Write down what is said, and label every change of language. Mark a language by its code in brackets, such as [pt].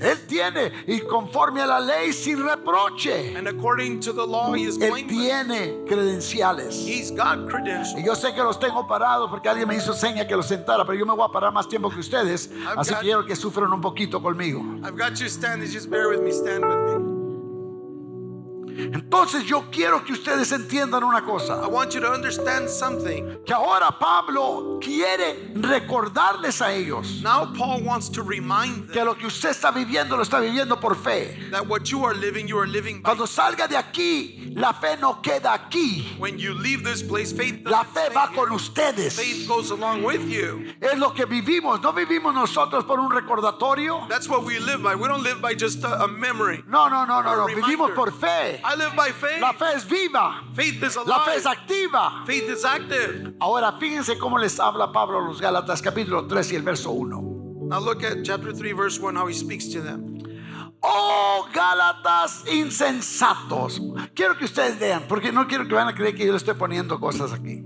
[es] Él tiene, y conforme a la ley, sin reproche. [en] And according to the law, he is blameless. [es] Él tiene credenciales. [en] He's got credentials. [es] Y yo sé que los tengo parados porque alguien me hizo seña que los sentara, pero yo me voy a parar más tiempo que ustedes, así que quiero que sufran un poquito conmigo. [en] I've got you standing, just bear with me, stand with me. [es] Entonces yo quiero que ustedes entiendan una cosa. [en] I want you to understand something. [es] Que ahora Pablo quiere recordarles a ellos. [en] Now Paul wants to remind them. [es] Que lo que usted está viviendo lo está viviendo por fe. [en] That what you are living, you are living by. [es] Cuando salga de aquí, la fe no queda aquí. [en] When you leave this place, faith [es] la fe va con ustedes. [en] Faith goes along with you. [es] Es lo que vivimos. No vivimos nosotros por un recordatorio. [en] That's what we live by. We don't live by just a memory. [es] No. Vivimos por fe. [en] I live by faith. [es] La fe es viva. [en] Faith is alive. [es] La fe es activa. [en] Faith is active. [es] Ahora fíjense cómo les habla Pablo a los Gálatas, capítulo 3 y el verso 1. [en] Now look at chapter 3, verse 1, how he speaks to them. [es] Oh, Gálatas insensatos. Quiero que ustedes lean, porque no quiero que vayan a creer que yo le estoy poniendo cosas aquí.